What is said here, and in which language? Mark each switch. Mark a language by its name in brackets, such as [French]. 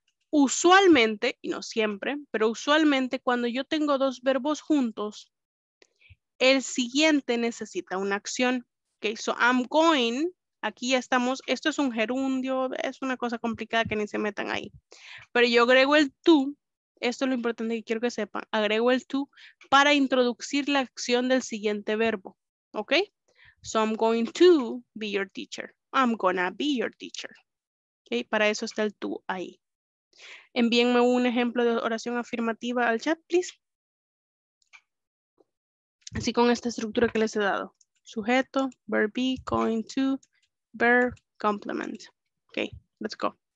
[Spanish] Usualmente, y no siempre, pero usualmente cuando yo tengo dos verbos juntos, el siguiente necesita una acción. Okay, so I'm going, aquí ya estamos, esto es un gerundio, es una cosa complicada que ni se metan ahí. Pero yo agrego el to, esto es lo importante que quiero que sepan, agrego el to para introducir la acción del siguiente verbo. [English] Okay, so I'm going to be your teacher. I'm gonna be your teacher. Okay, [Spanish] para eso está el tú ahí. Envíenme un ejemplo de oración afirmativa al chat, please. Así con esta estructura que les he dado. [English] Sujeto, verb be, going to, verb, complement. Okay, let's go.